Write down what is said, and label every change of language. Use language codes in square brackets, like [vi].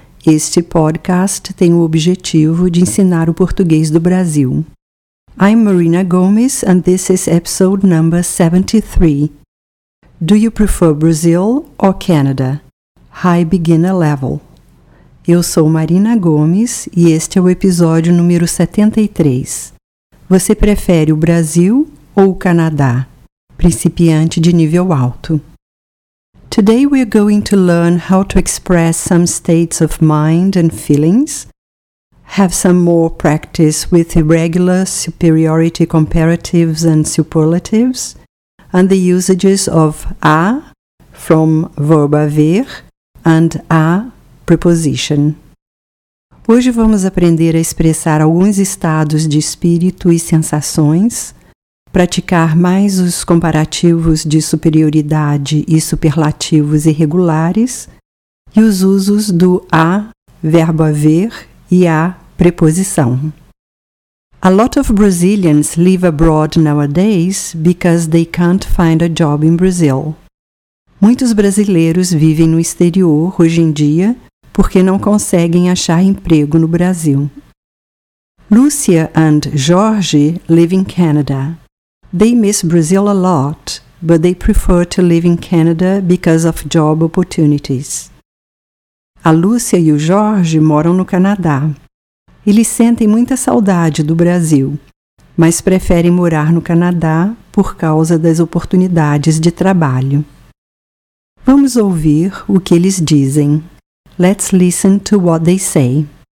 [pt] Este podcast tem o objetivo de ensinar o português do Brasil. [en] I'm Marina Gomes and this is episode number 73. Do you prefer Brazil or Canada? High beginner level. [pt] Eu sou Marina Gomes e este é o episódio número 73. Você prefere o Brasil ou o Canadá? Principiante de nível alto. [en] Today we are going to learn how to express some states of mind and feelings, have some more practice with irregular superiority comparatives and superlatives, and the usages of a from verb haver and a preposition. [pt] Hoje vamos aprender a expressar alguns estados de espírito e sensações, praticar mais os comparativos de superioridade e superlativos irregulares e os usos do a, verbo haver e a preposição. [en] A lot of Brazilians live abroad nowadays because they can't find a job in Brazil. [pt] Muitos brasileiros vivem no exterior hoje em dia porque não conseguem achar emprego no Brasil. [en] Lúcia and Jorge live in Canada. They miss Brazil a lot, but they prefer to live in Canada because of job opportunities. [pt] A Lúcia e o Jorge moram no Canadá. Eles sentem muita saudade do Brasil, mas preferem morar no Canadá por causa das oportunidades de trabalho. Vamos ouvir o que eles dizem. [en] Let's listen to what they say.